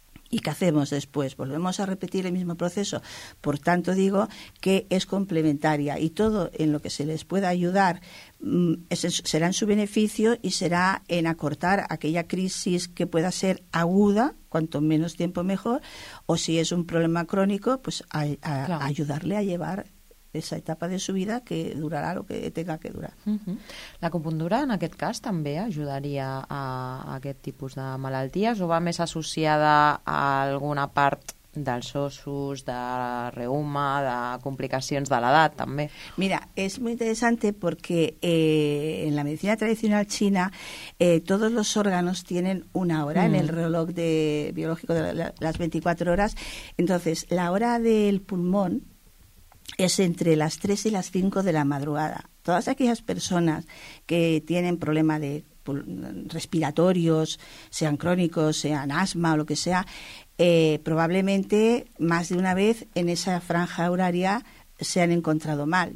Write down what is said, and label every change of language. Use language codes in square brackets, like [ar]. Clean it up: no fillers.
[es] ¿Y qué hacemos después? ¿Volvemos a repetir el mismo proceso? Por tanto, digo que es complementaria y todo en lo que se les pueda ayudar será en su beneficio y será en acortar aquella crisis que pueda ser aguda, cuanto menos tiempo mejor, o si es un problema crónico, pues a ayudarle a llevar esa etapa de su vida que durarà el que tenga que durar. [ca] L'acupuntura, en aquest cas, també ajudaria a aquest tipus de malalties o va més associada a alguna part dels ossos, de reuma, de complicacions de l'edat, també? Mira, és molt interessant perquè en la medicina tradicional china tots els òrgans tenen una hora en [es] el reloj biològico [ca] de les 24 hores. [es] Entonces, la hora del pulmó es entre las 3 y las 5 de la madrugada. Todas aquellas personas que tienen problemas de respiratorios, sean crónicos, sean asma o lo que sea, probablemente más de una vez en esa franja horaria se han encontrado mal.